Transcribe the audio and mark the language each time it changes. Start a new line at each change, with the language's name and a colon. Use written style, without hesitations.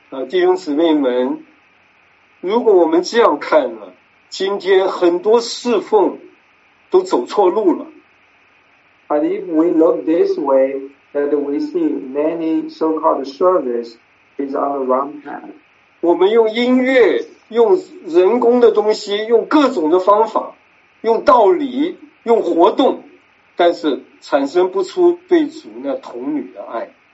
Chinese: 弟兄姊妹们，如果我们这样看呢，今天很多侍奉都走错路了。
English: And if we look this way, that we see many so-called service is on the wrong path.
Chinese: 我们用音乐，用人工的东西，用各种的方法，用道理，用活动，但是产生不出对主那童女的爱。